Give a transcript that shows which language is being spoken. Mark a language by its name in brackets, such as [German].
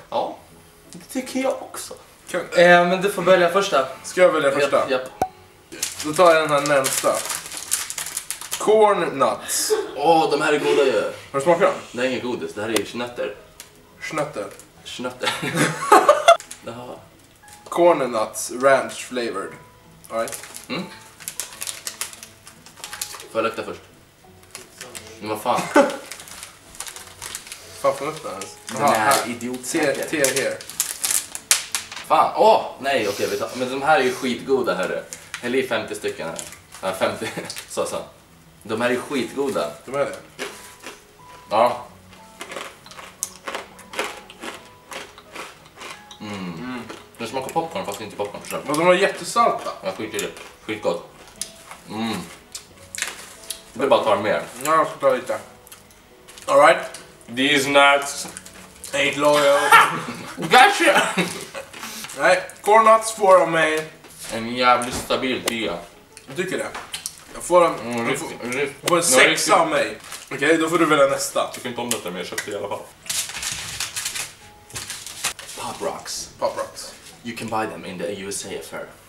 [Swedish] Ja, det tycker jag också. Men du får börja första. Ska jag välja första? Japp, japp. Då tar jag den här närmsta. [English] Corn nuts. [Swedish] Åh, de här är goda ju. Har du smakat dem? Det är inget godis, det här är ju schnötter. Schnötter. Jaha. [English] Corn nuts, ranch flavored. All right. [Swedish] Mm. Får jag lukta först? Men vad fan? Fan, får lukta ens? Den här är idiotsäker. [English] Tear here. [Swedish] Fan, åh, nej, okej, vi tar. Men de här är ju skitgoda, hörru. Häll i 50 stycken här. Ja, 50, så. De här är ju skitgoda. De är det? Ja. De smakar popcorn, fast inte popcorn förstås. Men de var jättesalta. Ja, skit i det. Skitgott. Mm. Det är bara att ta mer. Ja, jag ska ta lite. [English] All right. These nuts ain't loyal. Gotcha! [Swedish] Nej, corn nuts får av mig en jävligt stabil tia. Jag tycker det. Jag får en, riktigt, en sexa riktigt av mig. Okej, okay, då får du välja nästa. Jag tycker inte om detta, men jag köpte det i alla fall. [English] Pop rocks. You can buy them in the USA affair.